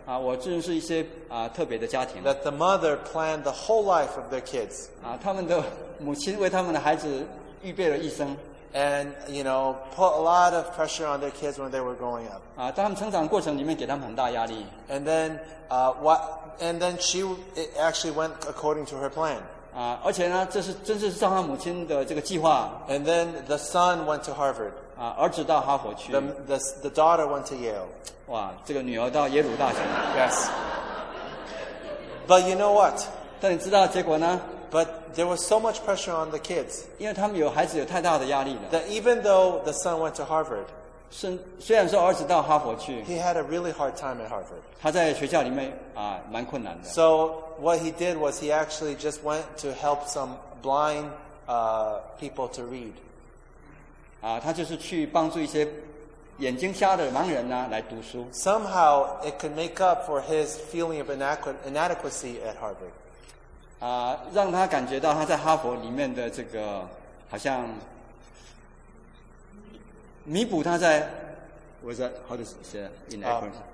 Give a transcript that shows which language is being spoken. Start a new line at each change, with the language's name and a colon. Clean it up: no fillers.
Chinese: 啊，我认识一些啊特别的家庭。
English: That the mother planned the whole life of their kids.
Chinese: 啊，他们的母亲为他们的孩子预备了一生。
English: And you know, put a lot of pressure on their kids when they were growing up.
Chinese: 啊，在他们成长过程里面，给他们很大压力。
English: And then, And then she it actually went according to her plan.
Chinese: 啊，而且呢，这是真是照他母亲的这个计划。
English: And then the son went to Harvard.
Chinese: 啊，儿子到哈佛去。
English: The daughter went to Yale.
Chinese: 哇，这个女儿到耶鲁大学。
English: Yes. But you know what?
Chinese: 但你知道结果呢？
English: But there was so much pressure on the kids.
Chinese: 因为他们有孩子有太大的压力了。
English: That even though the son went to Harvard,
Chinese: 虽然说儿子到哈佛去
English: he had a really hard time at Harvard.
Chinese: 他在学校里面啊蛮困难的。
English: So what he did was he actually just went to help some blind people to read.
Chinese: 啊，他就是去帮助一些眼睛瞎的盲人呢来读书。
English: Somehow it could make up for his feeling of inadequacy at Harvard.
Chinese: 让他感觉到他在哈佛里面的这个好像弥补他在
English: was that how to say in Akron